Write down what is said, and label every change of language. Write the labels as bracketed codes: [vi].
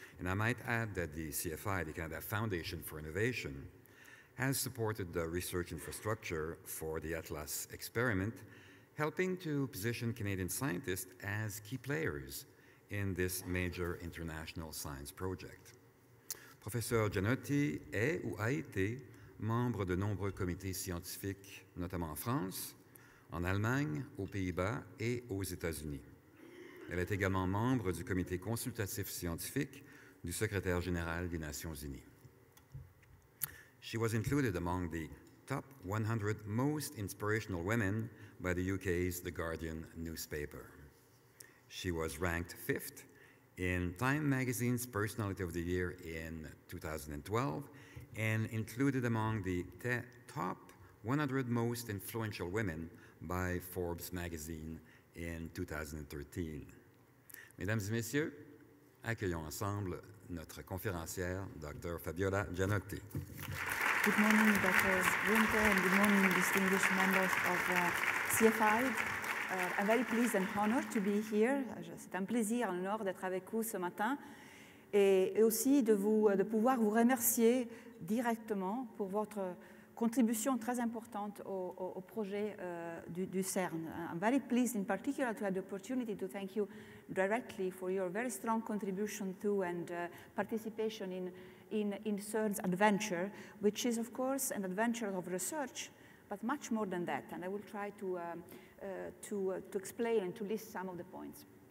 [en] And I might add that the CFI, the Canada Foundation for Innovation, has supported the research infrastructure for the ATLAS experiment, helping to position Canadian scientists as key players in this major international science project. [fr] Professeur Gianotti est ou a été membre de nombreux comités scientifiques, notamment en France, en Allemagne, aux Pays-Bas et aux États-Unis. Elle est également membre du comité consultatif scientifique du secrétaire général des Nations Unies. [en] She was included among the top 100 most inspirational women by the UK's The Guardian newspaper. She was ranked fifth in Time magazine's Personality of the Year in 2012 and included among the top 100 most influential women by Forbes magazine in 2013. [fr] Mesdames et messieurs, accueillons ensemble notre conférencière, Dr. Fabiola Gianotti. [en] Good morning, Dr. Winter, and good morning, distinguished members of CFI. I'm very pleased and honored to be here. [fr] C'est un plaisir, un honneur d'être avec vous ce matin, et aussi de pouvoir vous remercier directement pour votre contribution très importante au projet du CERN. [en] I'm very pleased in particular to have the opportunity to thank you directly for your very strong contribution to and participation in CERN's adventure, which is of course an adventure of research, but much more than that. And I will try to explain and to list some of the points.